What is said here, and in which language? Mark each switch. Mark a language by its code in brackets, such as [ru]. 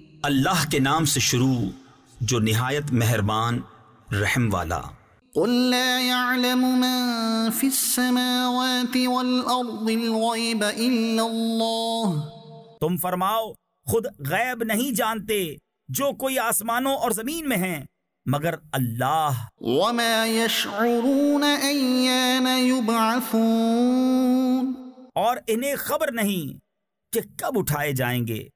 [ur] اللہ کے نام سے شروع جو نہایت مہربان رحم والا [ar] قل لا يعلم من في السماوات والأرض الغيب إلا الله [ur] تم فرماؤ خود غیب نہیں جانتے جو کوئی آسمانوں اور زمین میں ہیں مگر اللہ [ar] وما يشعرون ايان يبعثون [ur] اور انہیں خبر نہیں کہ کب اٹھائے جائیں گے